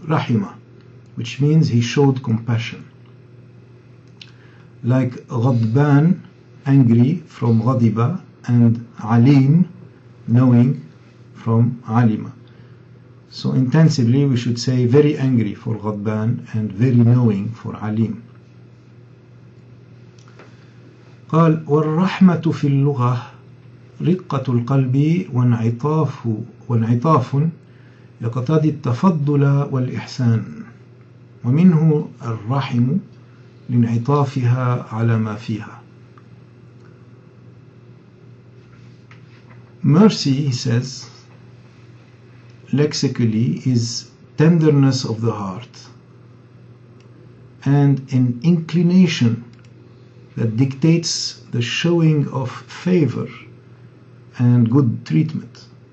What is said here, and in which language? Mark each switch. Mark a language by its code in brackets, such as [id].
[en] Rahima, which means he showed compassion. Like ghadban, angry, from ghadiba, and alim, knowing, from alima. So intensively we should say very angry for ghadban and very knowing for alim. [ar] قال والرحمة في اللغة رقة القلب وانعطاف يقتضي التفضل والإحسان ومنه الرحم لانعطافها على ما فيها. [en] Mercy, he says, lexically is tenderness of the heart and an inclination that dictates the showing of favor and good treatment.